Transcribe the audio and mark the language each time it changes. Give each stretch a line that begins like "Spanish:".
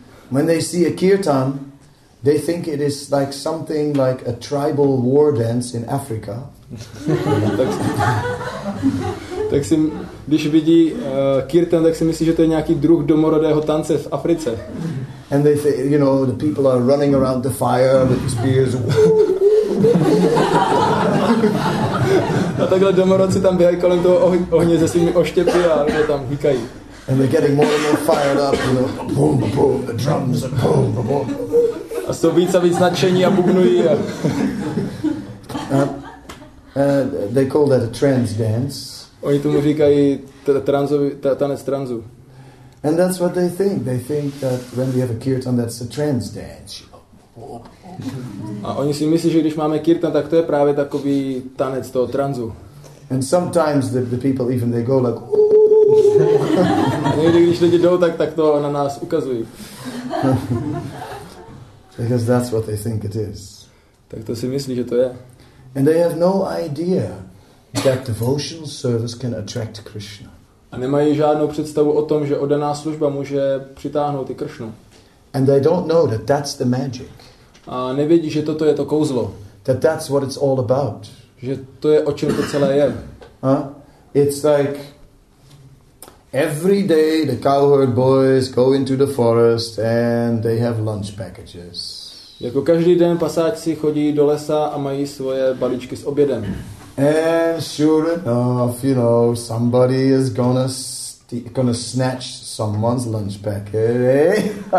English: When they see a kirtan, they think it is like something like a tribal war dance in Africa.
Czech: Tak si, když vidí kirtan, tak si myslí, že to je nějaký druh domorodého tance v Africe.
English: And they say, you know, the people are running around the fire with spears.
Czech: A takhle domorodci tam běhají kolem toho ohně se svými oštěpy a lidé tam hýkají.
English: And they're getting more and more fired up, you know, boom, boom, the drums, and boom, boom.
Czech: A jsou víc a víc nadšení a bubnují.
English: They call that a trance dance.
Czech: Oni tomu říkají tanec transu.
English: And that's what they think. They think that when we have a kirtan, that's a trance dance.
Czech: A oni si myslí, že když máme kirtan, tak to je právě takový tanec toho transu.
English: And sometimes the people even they go like.
Czech: A někdy, když lidi jdou, tak to na nás ukazují.
English: Because that's what they think it is.
Czech: Tak to si myslí, že to je.
English: And they have no idea that devotional service can attract Krishna.
Czech: A nemají žádnou představu o tom, že oddaná služba může přitáhnout i Krishnu.
English: And they don't know that that's the magic.
Czech: A nevědí, že toto je to kouzlo.
English: That that's what it's all about.
Czech: Že to je, o čem to celé je.
English: It's like every day the cowherd boys go into the forest and they have lunch packages.
Czech: Jako každý den pasáci chodí do lesa a mají svoje balíčky s obědem.
English: And sure enough, you know, somebody is gonna snatch someone's lunch packet.